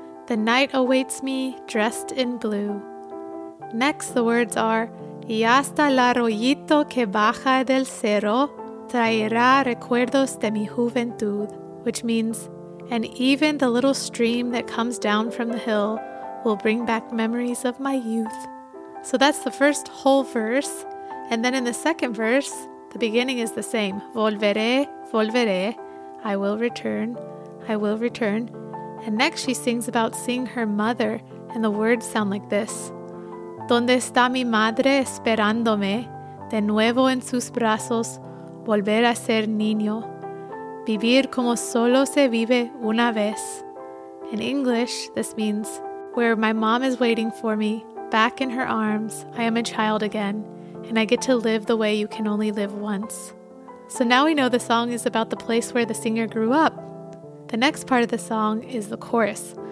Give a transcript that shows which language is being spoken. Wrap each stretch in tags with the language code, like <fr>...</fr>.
<en>The night awaits me dressed in blue. Next, the words are,</en> <es>y hasta el arroyito que baja del cerro traerá recuerdos de mi juventud,</es> <en>which means, and even the little stream that comes down from the hill will bring back memories of my youth. So that's the first whole verse. And then in the second verse, the beginning is the same.</en> <es>Volveré, volveré.</es> <en>I will return, I will return. And next she sings about seeing her mother, and the words sound like this.</en> <es>¿Dónde está mi madre esperándome? De nuevo en sus brazos, volver a ser niño. vivir como solo se vive una vez.</es> <en>In English, this means, where my mom is waiting for me, back in her arms, I am a child again, and I get to live the way you can only live once. So now we know the song is about the place where the singer grew up. The next part of the song is the chorus.</en>